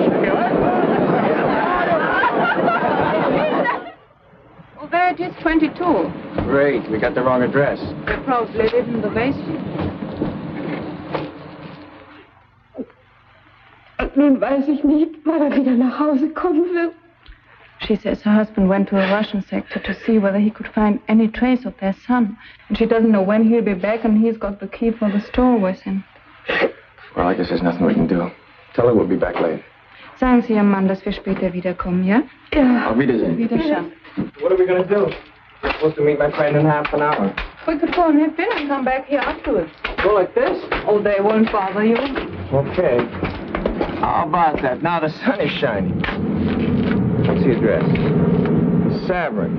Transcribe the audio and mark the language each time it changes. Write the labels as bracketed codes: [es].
[en] Well, there it is, 22. Great, we got the wrong address. They probably live in the basement. [de] Nun weiß ich nicht, wann er wieder nach Hause kommen wird. [en] She says her husband went to a Russian sector to see whether he could find any trace of their son. And she doesn't know when he'll be back, and he's got the key for the store with him. Well, I guess there's nothing we can do. Tell her we'll be back late. [de] Sagen Sie Ihrem Mann, dass wir später wiederkommen, ja? Ja. Auf Wiedersehen. Auf Wiedersehen. [en] What are we going to do? We're supposed to meet my friend in half an hour. We could go and have dinner and come back here afterwards. Go like this? Oh, they won't bother you. Okay. How about that? Now the sun is shining. What's the address? Severin.